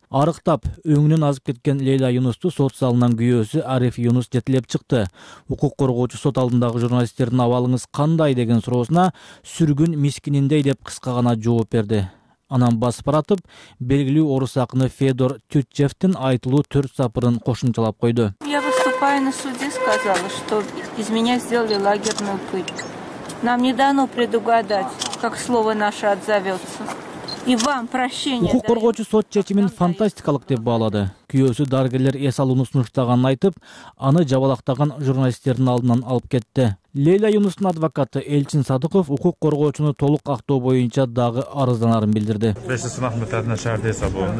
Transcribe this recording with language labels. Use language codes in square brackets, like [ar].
[ky] Арыктап, өңүнөн азып кеткен Лейла Юнусту сот залынан күйөөсү Ариф Юнус жетелеп чыкты. Укук коргоочу сот алдындагы журналисттердин абалыңыз кандай деген суроосуна сүргүн мискининдей деп кыска гана жооп берди. Анан басып баратып, белгилүү орус акыны Федор Тютчевтин айтылуу 4 сапырын кошумчалап койду. [ru] Я выступаю на суде, сказала, что из меня сделали лагерную пытку. Нам не дано предугадать, как слово наше отзовется. [ky] Укук коргоочу сот чечимин фантастикалык деп баалады. Күйөөсү дарыгерлер эс алууну сунуштаганын айтып, аны жабалактаган журналисттердин алдынан алып кетти. Лейла Юнустун адвокаты Элчин Садыков укук коргоочуну толук актоо боюнча дагы арызданарын билдирди. 5 сынак мөөнөтүнө шаарда эсеп болду.